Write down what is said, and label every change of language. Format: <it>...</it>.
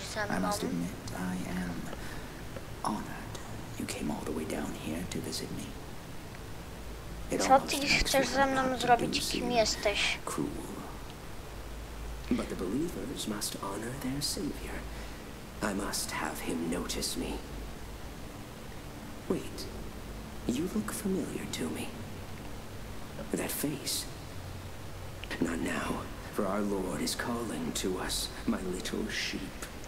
<en>I must admit, I am honored you came all the way down here to visit me.</en> <pl>It Co ty chcesz ze mną zrobić, kim jesteś?</pl> <en>Cruel. But the believers must honor their savior. I must have him notice me. Wait, you look familiar to me. That face. Not now, for our Lord is calling to us, my little sheep.</en>